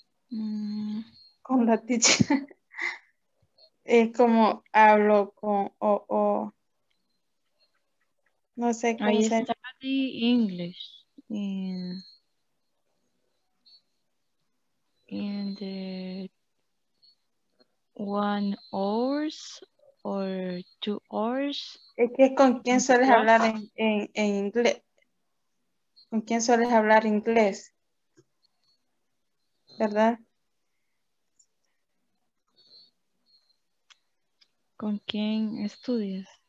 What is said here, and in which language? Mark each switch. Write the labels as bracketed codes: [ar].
[es] Con la teacher. Es como hablo con no sé cómo [en] I se study English in the 1 hours or 2 hours. [es] Es que es con quién sueles hablar en inglés. ¿Con quién sueles hablar inglés? ¿Verdad? ¿Con quién estudias?